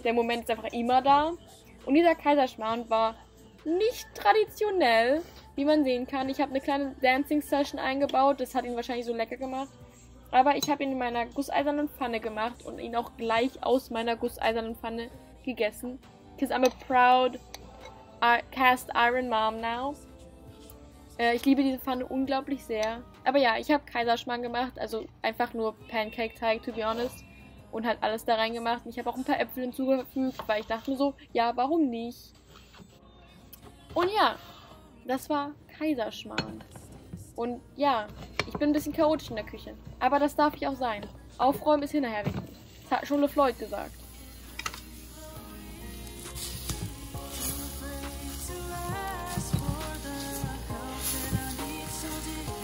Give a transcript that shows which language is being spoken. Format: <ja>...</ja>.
<de>Der Moment ist einfach immer da. Und dieser Kaiserschmarrn war nicht traditionell, wie man sehen kann. Ich habe eine kleine Dancing-Session eingebaut. Das hat ihn wahrscheinlich so lecker gemacht. Aber ich habe ihn in meiner gusseisernen Pfanne gemacht und ihn auch gleich aus meiner gusseisernen Pfanne gegessen.</de> <en>Because I'm a proud cast iron mom now.</en> <de>Ich liebe diese Pfanne unglaublich sehr. Aber ja, ich habe Kaiserschmarrn gemacht. Also einfach nur Pancake-Teig,</de> <en>to be honest.</en> <de>Und halt alles da reingemacht. Und ich habe auch ein paar Äpfel hinzugefügt, weil ich dachte so, ja, warum nicht? Und ja, das war Kaiserschmarrn. Und ja, ich bin ein bisschen chaotisch in der Küche. Aber das darf ich auch sein. Aufräumen ist hinterher wichtig. Das hat schon LeFloid gesagt.</de> <en>I'm afraid to ask for the help that I need so deep.</en>